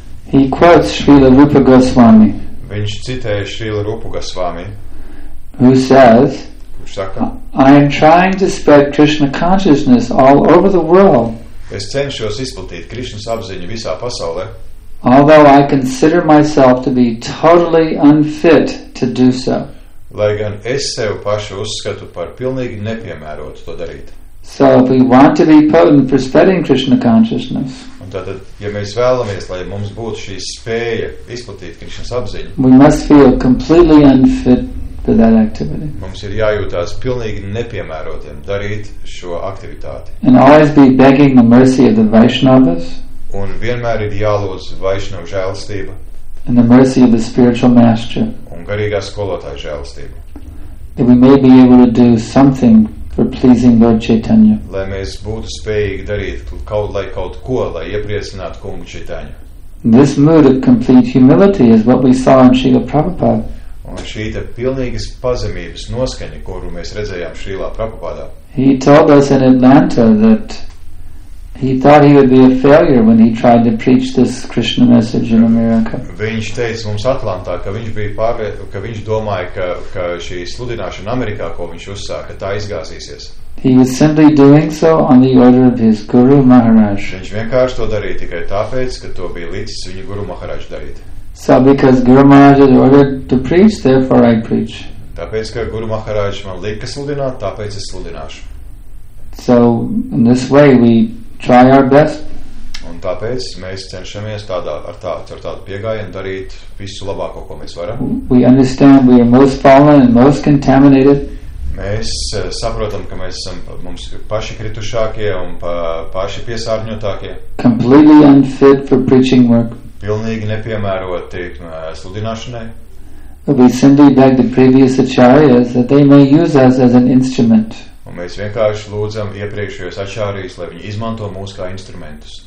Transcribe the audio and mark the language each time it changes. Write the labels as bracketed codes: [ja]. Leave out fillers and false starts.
[en] He quotes Srila Rupa Goswami. [lv] Viņš citē Srila Rupa Goswami. [en] Who says, [lv] kurš saka, [en] I am trying to spread Krishna consciousness all over the world. [lv] Es cenšos izplatīt Krišnas apziņu visā pasaulē. [en] Although I consider myself to be totally unfit to do so. [lv] Lai gan es sevi pašu uzskatu par pilnīgi nepiemērotu to darīt. [en] So if we want to be potent for spreading Krishna consciousness. [lv] Tātad, ja mēs vēlamies, lai mums būtu šī spēja izplatīt Krišnas apziņu, [en] we must feel completely unfit for that activity. [lv] Mums ir jājūtās pilnīgi nepiemērotiem darīt šo aktivitāti. [en] And always be begging the mercy of the Vaishnavas. [lv] Un vienmēr ir jālūdz Vaishnava žēlstība. [en] And the mercy of the spiritual master. [lv] Un garīgā skolotāja žēlstība. [en] That we may be able to do something for pleasing Lord Chaitanya. [lv] Lai mēs būtu spējīgi darīt kaut ko, lai iepriecinātu kungu Chaitanya. [en] This mood of complete humility is what we saw in Srila Prabhupada. [lv] Un šī te pilnīgas pazemības noskaņa, kuru mēs redzējām Srila Prabhupada. [en] He told us in Atlanta that he thought he would be a failure when he tried to preach this Krishna message in America. [lv] Viņš teica mums Atlantā, ka viņš bija pārvietojis, ka viņš domāja, ka šī sludināšana Amerikā, ko viņš uzsāka, tā izgāzīsies. [en] He was simply doing so on the order of his Guru Maharaj. [lv] Viņš vienkārši to darīja tikai tāpēc, ka to bija līdzis viņa Guru Maharaj darīt. [en] So because Guru Maharaj had ordered to preach, therefore I preach. [lv] Tāpēc, ka Guru Maharaj man lika sludināt, tāpēc es sludināšu. [en] So in this way we try our best. [lv] Un tāpēc mēs cenšamies ar tādu piegājienu darīt visu labāko, ko mēs varam. [en] We understand we are most fallen and most contaminated. [lv] Mēs saprotam, ka mēs esam mums paši kritušākie un paši piesārņotākie. [en] Completely unfit for preaching work. [lv] Pilnīgi nepiemēroti sludināšanai. [en] But we simply beg the previous acharyas that they may use us as an instrument. [lv] Un mēs vienkārši lūdzam iepriekšējos ačārijas, lai viņi izmanto mūs kā instrumentus.